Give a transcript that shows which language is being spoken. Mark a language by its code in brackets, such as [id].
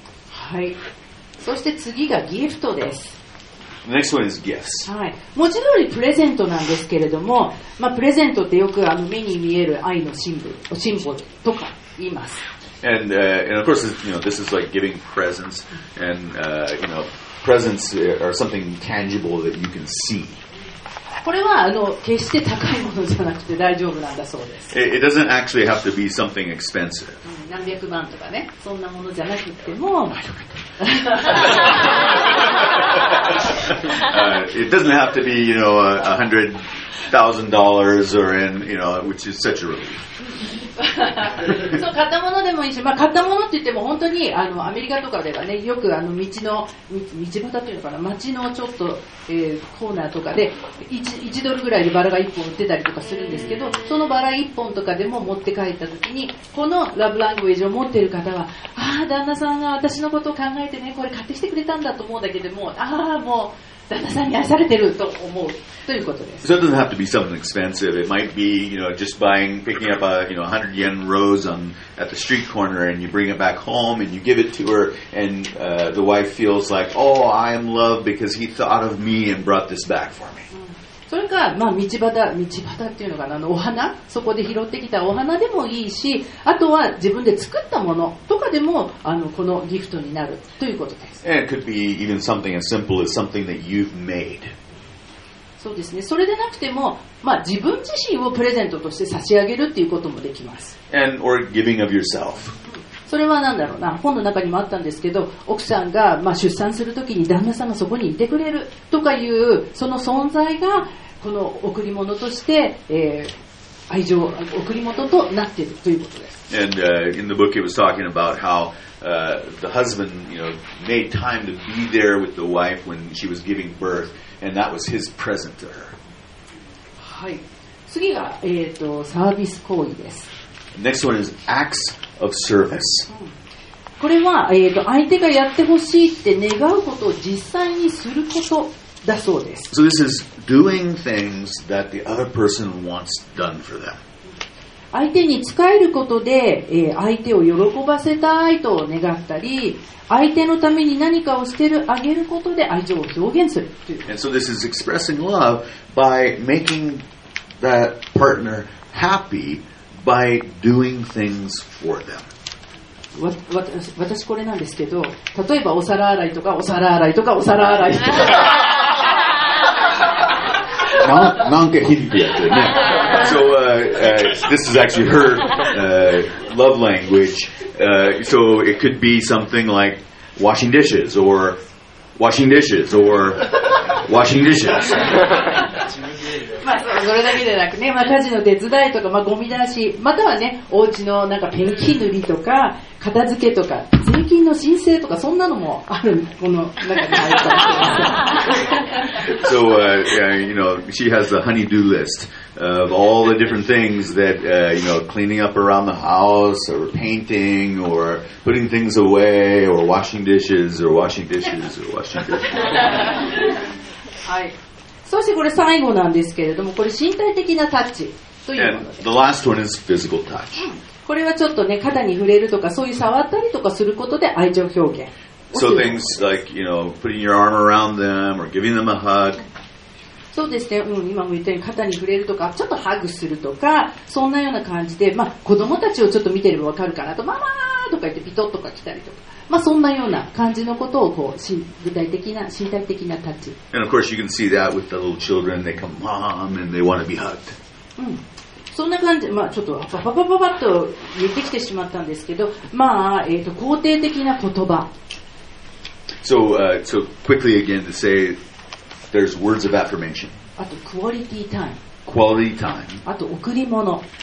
[ja] はい。そして次がギフトです。 [en] Next one is gifts. [ja] はい、文字通りプレゼントなんですけれども、まあ、プレゼントってよくあの目に見える愛のシンボルとか言います。 [en] And, and of course, you know, this is like giving presents, and, you know, presents are something tangible that you can see. [ja] これはあの決して高いものじゃなくて大丈夫なんだそうです。 [en] It doesn't actually have to be something expensive. [ja] 何百万とかね、そんなものじゃなくても。 [en] It doesn't have to be, you know, $100,000 or in, you know, which is such a relief. [ja] そう、買ったものでもいいし、まあ、買ったものって言っても本当にあのアメリカとかではね、よくあの道端というのかな、街のちょっと、コーナーとかで 1ドルぐらいでバラが1本売ってたりとかするんですけど、そのバラ1本とかでも持って帰った時に、このラブラングエージを持っている方は、ああ旦那さんが私のことを考えてね、これ買ってきてくれたんだと思うだけでも、ああもう旦那さんに愛されてると思うということです。 [en] So it doesn't have to be something expensive. It might be, you know, just buying, picking up a, you know, 100 yen rose on, at the street corner and you bring it back home and you give it to her and, the wife feels like, oh, I am loved because he thought of me and brought this back for me. [ja] それか、まあ、道端っていうのかな、あのお花、そこで拾ってきたお花でもいいし、あとは自分で作ったものとかでも、あの、このギフトになるということです。 [en] And it could be even something as simple as something that you've made. [ja] そうですね。それでなくても、まあ、自分自身をプレゼントとして差し上げるっていうこともできます。 [en] And or giving of yourself. [ja] それは何だろうな、本の中にもあったんですけど、奥さんが、まあ、出産するときに旦那さんがそこにいてくれるとかいう、その存在がこの贈り物として、愛情、贈り物となっているということです。 [en] And, in the book it was talking about how, the husband, you know, made time to be there with the wife when she was giving birth, and that was his present to her. [ja] はい。次が、サービス行為です。 [en] Next one is acts of service. [ja] これは、相手がやってほしいって願うことを実際にすることだそうです。 [en] So this is doing things that the other person wants done for them. [ja] 相手に仕えることで、相手を喜ばせたいと願ったり、相手のために何かをしてるあげることで愛情を表現するという。 [en] And so this is expressing love by making that partner happy.By doing things for them. [ja] 私これなんですけど、例えばお皿洗いとかお皿洗いとかお皿洗いとか。 [en] So this is actually her love language. So it could be something like washing dishes or washing dishes or washing dishes. [ja] まあそれだけでなくね、まあ、家事の手伝いとか、まあ、ゴミ出し、またはね、お家のなんかペンキ塗りとか片付けとか税金の申請とかそんなのもあるこの中に入ったんですよ。 [en] So, you know, she has a honey-do list of all the different things that, you know, cleaning up around the house or painting or putting things away or washing dishes or washing dishes or washing dishes. [ja] はい。そしてこれ最後なんですけれども、これ身体的なタッチというもので。 [en] And the last one is physical touch. [ja] これはちょっとね、肩に触れるとか、そういう触ったりとかすることで愛情表現。 [en] So things like, you know, putting your arm around them or giving them a hug. [ja] そうですね、うん、今も言ったように肩に触れるとか、ちょっとハグするとか、そんなような感じで、まあ子供たちをちょっと見てればわかるかなと、ママーとか言ってピトッとか来たりとか、まあそんなような感じのことをこう、具体的な、身体的なタッチ。 [en] And of course you can see that with the little children, they come, Mom, and they want to be hugged. [ja] うん。そんな感じ、まあ、ちょっとパパパパパッと言ってきてしまったんですけど、まあ、肯定的な言葉。 [en] So, so quickly again to say, there's words of affirmation. あと、quality time. Quality time. [ja] あと、贈り物。